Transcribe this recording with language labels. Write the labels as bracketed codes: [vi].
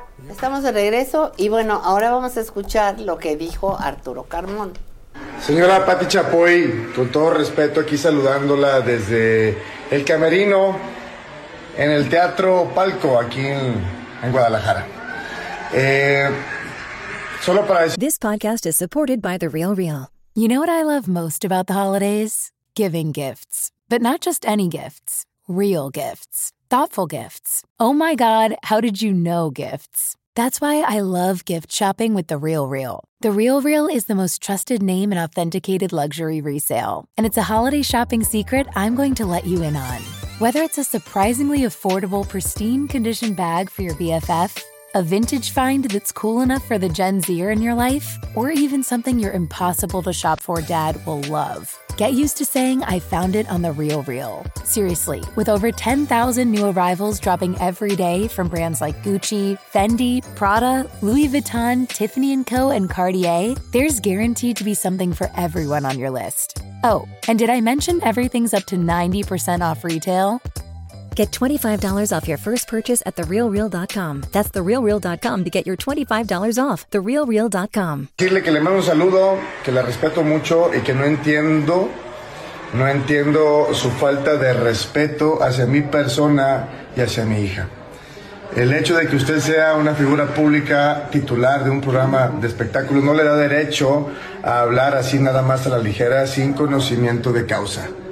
[es] Estamos de regreso y bueno, ahora vamos a escuchar lo que dijo Arturo Carmona. Señora Patty Chapoy, con todo respeto, aquí saludándola desde el camerino en el Teatro Palco, aquí en Guadalajara. Solo para decir... [en] This podcast is supported by The Real Real. You know what I love most about the holidays? Giving gifts. But not just any gifts. Real gifts. Thoughtful gifts. Oh my God, how did you know gifts? That's why I love gift shopping with The Real Real. The Real Real is the most trusted name in authenticated luxury resale. And it's a holiday shopping secret I'm going to let you in on. Whether it's a surprisingly affordable, pristine condition bag for your BFF, a vintage find that's cool enough for the Gen Zer in your life, or even something your impossible to shop for dad will love. Get used to saying, I found it on The Real Real. Seriously, with over 10,000 new arrivals dropping every day from brands like Gucci, Fendi, Prada, Louis Vuitton, Tiffany & Co., and Cartier, there's guaranteed to be something for everyone on your list. Oh, and did I mention everything's up to 90% off retail? Get $25 off your first purchase at TheRealReal.com. That's TheRealReal.com to get your $25 off. TheRealReal.com. [es] Decirle que le mando un saludo, que la respeto mucho y que no entiendo su falta de respeto hacia mi persona y hacia mi hija. El hecho de que usted sea una figura pública titular de un programa de espectáculos no le da derecho a hablar así nada más a la ligera sin conocimiento de causa.